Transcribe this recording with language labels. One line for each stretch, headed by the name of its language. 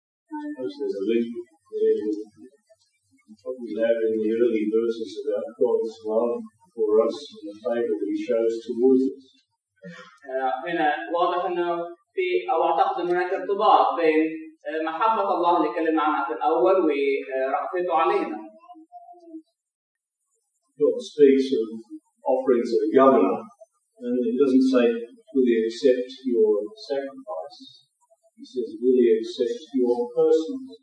English: There's a link there that we have in the early verses about God's love for us and the favor that He shows towards us.
Arabic: هنا واضح إنه في أو أعتقد إنه هناك ارتباط بين محبة الله اللي كلمنا عنها في الأول ورأفته علينا.
English: God speaks of offerings of a governor, and it doesn't say, "Will He accept your sacrifice?" He says, will he accept your person?